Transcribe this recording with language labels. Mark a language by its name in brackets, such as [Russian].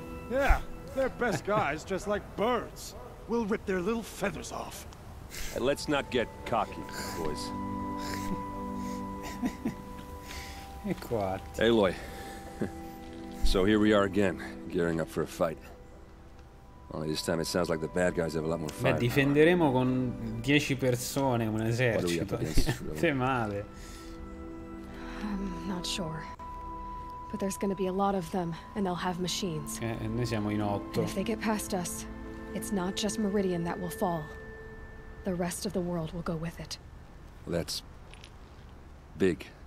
[English] Yeah, they're best guys dressed like birds. We'll rip their little feathers off. Let's not get cocky, boys. [Italian] E quattro. [English] Aloy. So here we are again, gearing up for a fight. Only this time it sounds like the bad guys have a lot more fire. [Italian] Beh, difenderemo con 10 persone un esercito. Sei male. [English] I'm not sure. But there's gonna be a lot of them, and they'll have machines. [Italian] E noi siamo in 8. [English] And if they get past us, it's not just Meridian that will fall. The rest of the world will go with it. That's big.